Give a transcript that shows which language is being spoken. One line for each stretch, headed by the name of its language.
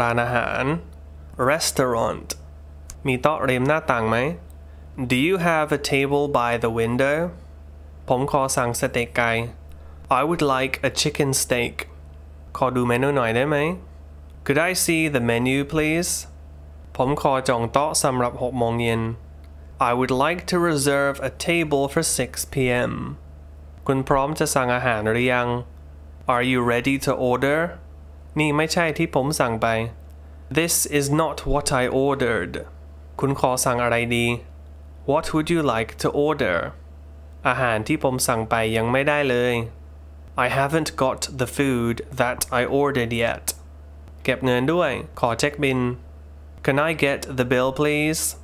Thai: ร้านอาหาร Restaurant. มีโต๊ะริมหน้าต่างไหม?
English: Do you have a table by the window?
Thai: ผมขอสั่งสเต็กไก่
English: I would like a chicken steak.
Thai: ขอดูเมนูหน่อยได้ไหม?
English: Could I see the menu, please?
Thai: ผมขอจองโต๊ะสำหรับ6โมงเย็น
English: I would like to reserve a table for 6 p.m.
Thai: คุณพร้อมจะสั่งอาหารหรือยัง?
English: Are you ready to order?
Thai: นี่ไม่ใช่ที่ผมสั่งไป
English: This is not what I ordered.
Thai: คุณขอสั่งอะไรดี?
English: What would you like to order?
Thai: อาหารที่ผมสั่งไปยังไม่ได้เลย.
English: I haven't got the food that I ordered yet.
Thai: เก็บเงินด้วย. ขอเช็คบิน.
English: Can I get the bill, please?